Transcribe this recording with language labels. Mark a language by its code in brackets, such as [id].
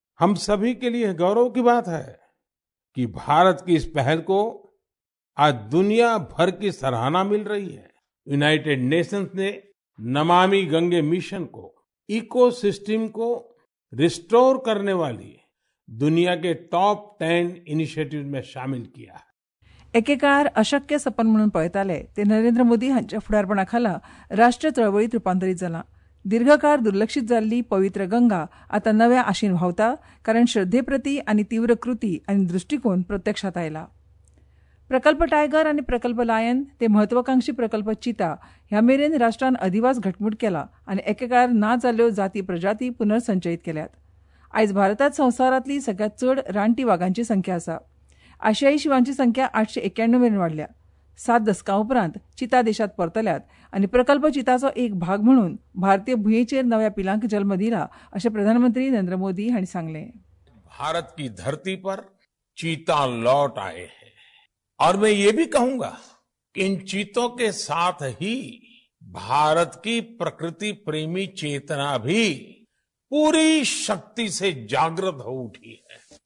[hi] हम सभी के लिए गौरव की बात है कि भारत की इस पहल को आज दुनिया भर की सराहना मिल रही है. यूनाइटेड नेशंस ने नमामि गंगे मिशन को इकोसिस्टम को रिस्टोर करने वाली दुनिया के टॉप 10 इनिशिएटिव में शामिल किया है. [gom] एकेकाळार अशक्य सपन म्हणून पळयताले ते नरेंद्र मोदी हांच्या फुडारपणा खाला राष्ट्र चळवळीत रुपांतरीत जालां. दीर्घकाळ दुर्लक्षित जाल्ली पवित्र गंगा आता नव्या आशेन व्हावता, कारण श्रद्धेप्रती आनी तीव्र कृती आनी दृश्टीकोन प्रत्यक्षात आयला. प्रकल्प टायगर आनी प्रकल्प लायन ते म्हत्वाकांक्षी प्रकल्प चिता ह्या मेरेन राष्ट्रान अधिवास घटमूट केला आनी एकेकाळार ना जाल्ल्यो जाती प्रजाती पुनर्संचयीत केल्यात. आयज भारतांत संवसारांतली सगळ्यांत चड रानटी वाघांची संख्या आसा. आशियाई शिवांची संख्या 891 मेरेन वाडल्या. 7 दशकां उपरांत चिता देशांत परतल्यात आनी प्रकल्प चिताचो एक भाग म्हणून भारतीय भुंयेचेर नव्या पिलांक जल्म दिला, अशें प्रधानमंत्री नरेंद्र मोदी हांणी सांगलें. [hi] भारत की धरती पर चीता लौट आए हैं और मैं ये भी कहूंगा कि इन चीतों के साथ ही भारत की प्रकृति प्रेमी चेतना भी पूरी शक्ति से जागृत हो उठी है.